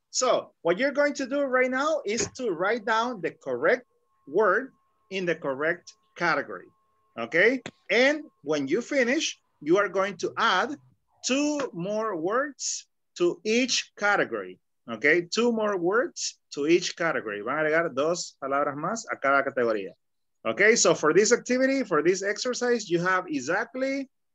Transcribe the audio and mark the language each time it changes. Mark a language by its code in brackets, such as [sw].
[en] So, what you're going to do right now is to write down the correct word in the correct category. Okay? And when you finish, you are going to add two more words to each category. Okay? Two more words to each category. [es] Van a agregar dos palabras más a cada categoría. [en] Okay? So, for this activity, for this exercise, you have exactly...